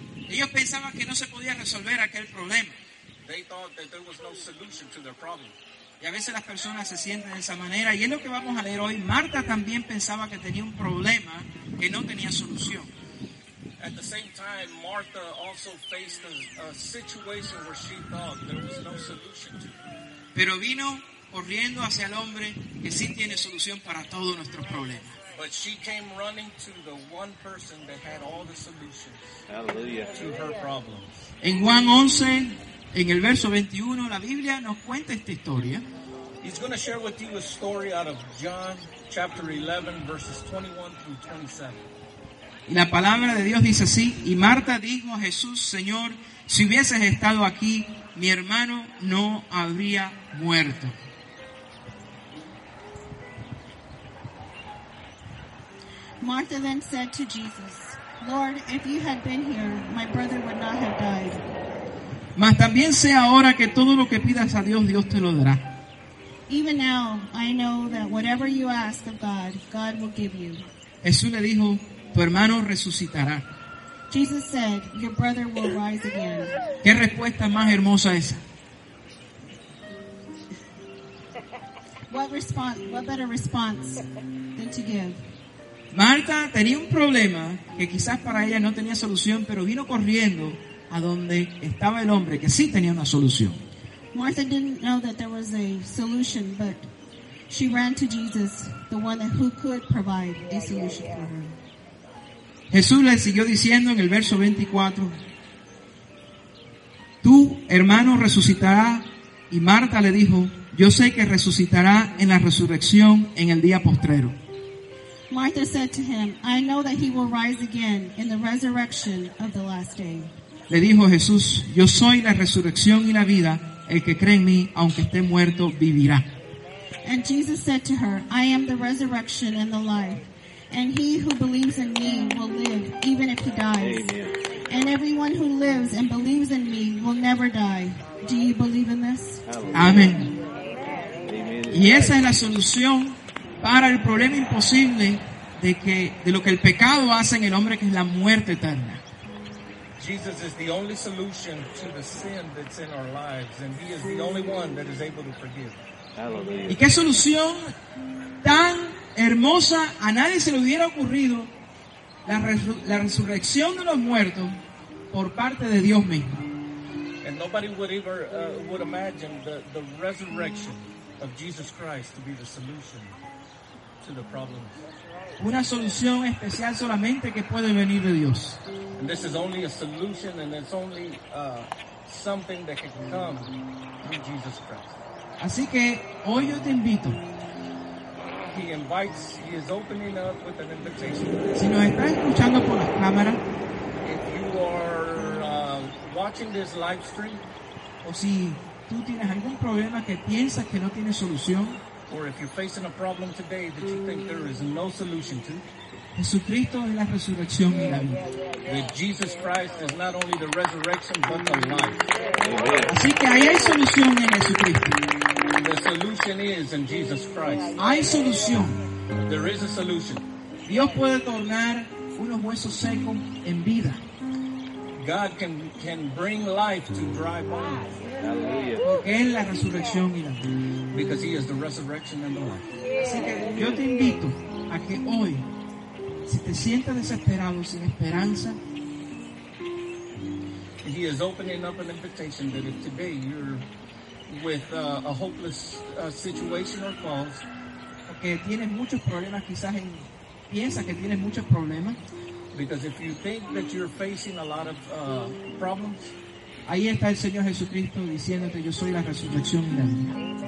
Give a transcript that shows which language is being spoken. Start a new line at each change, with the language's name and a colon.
Spanish: Ellos pensaban que no se podía resolver aquel problema.
English: They thought that there was no solution to their problem.
Spanish: Y a veces las personas se sienten de esa manera. Y es lo que vamos a leer hoy. Marta también pensaba que tenía un problema que no tenía solución.
English: At the same time, Martha also faced a situation where she thought there was no solution to it.
Spanish: Pero vino corriendo hacia el hombre que sí tiene solución para todos nuestros problemas.
English: But she came running to the one person that had all the solutions. Hallelujah. To her problems.
Spanish: En Juan 11, en el verso 21, la Biblia nos cuenta esta historia.
English: He's going to share with you a story out of John chapter 11, verses 21 through 27.
Spanish: Y la palabra de Dios dice así: y Marta dijo a Jesús, Señor, si hubieses estado aquí, mi hermano no habría muerto.
English: Martha then said to Jesus, Lord, if you had been here, my brother would not have died.
Spanish: Mas también sé ahora que todo lo que pidas a Dios, Dios te lo dará.
English: Even now, I know that whatever you ask of God, God will give you.
Spanish: Jesús le dijo, tu hermano resucitará.
English: Jesus said, your brother will rise again.
Spanish: ¿Qué respuesta más hermosa esa?
English: What better response than to give?
Spanish: Marta tenía un problema que quizás para ella no tenía solución, pero vino corriendo a donde estaba el hombre que sí tenía una solución.
English: Martha didn't know that there was a solution, but she ran to Jesus, the one who could provide a solution for her.
Spanish: Jesús le siguió diciendo en el verso 24, tu hermano resucitará. Y Marta le dijo, yo sé que resucitará en la resurrección en el día postrero.
English: Martha said to him, I know that he will rise again in the resurrection of the last day.
Spanish: Le dijo Jesús, yo soy la resurrección y la vida. El que cree en mí, aunque esté muerto, vivirá.
English: And Jesus said to her, I am the resurrection and the life. And he who believes in me will live, even if he dies. Amen. And everyone who lives and believes in me will never die. Do you believe in this? Amen.
Spanish: Y esa es la solución para el problema imposible de lo que el pecado hace en el hombre, que es la muerte eterna.
English: Jesus is the only solution to the sin that's in our lives, and he is the only one that is able to forgive.
Spanish: Y qué solución tan hermosa, a nadie se le hubiera ocurrido, la resurrección de los muertos por parte de Dios mismo.
English: And nobody would ever would imagine the resurrection of Jesus Christ to be the solution to the problem.
Spanish: Una solución especial solamente que puede venir de Dios.
English: And this is only a solution, and it's only something that can come through Jesus Christ.
Spanish: Así que hoy yo te invito.
English: He invites, he is opening up with an invitation.
Spanish: Si nos estás escuchando por la cámara,
English: if you are watching this live stream,
Spanish: o si tú tienes algún problema que piensas que no tiene solución,
English: or if you're facing a problem today that you think there is no solution to,
Spanish: Jesucristo es la resurrección y la vida.
English: That Jesus Christ is not only the resurrection but the life.
Spanish: Así que ahí hay solución en Jesucristo.
English: The solution is in Jesus Christ.
Spanish: Hay solución.
English: There is a solution.
Spanish: Dios puede tornar unos huesos secos en vida.
English: God can bring life to dry bones.
Spanish: Porque es la resurrección y la vida.
English: Because he is the resurrection and the life.
Spanish: Así que yo te invito a que hoy, si te sientes desesperado, sin esperanza,
English: he is opening up an invitation that if today you're with a hopeless situation or cause,
Spanish: porque tienes muchos problemas, quizás piensas que tienes muchos problemas,
English: because if you think that you're facing a lot of problems,
Spanish: ahí está el Señor Jesucristo diciéndote, yo soy la resurrección y la vida.